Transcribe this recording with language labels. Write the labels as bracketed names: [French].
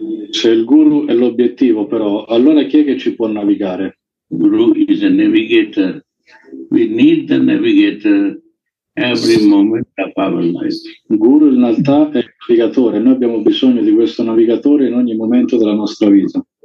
[Italian] Se il Guru è l'obiettivo, però, allora chi è che ci può navigare? [English] Guru is a navigator. We need the navigator every moment of our life. [Italian] Guru in realtà è il navigatore. Noi abbiamo bisogno di questo navigatore in ogni momento della nostra vita.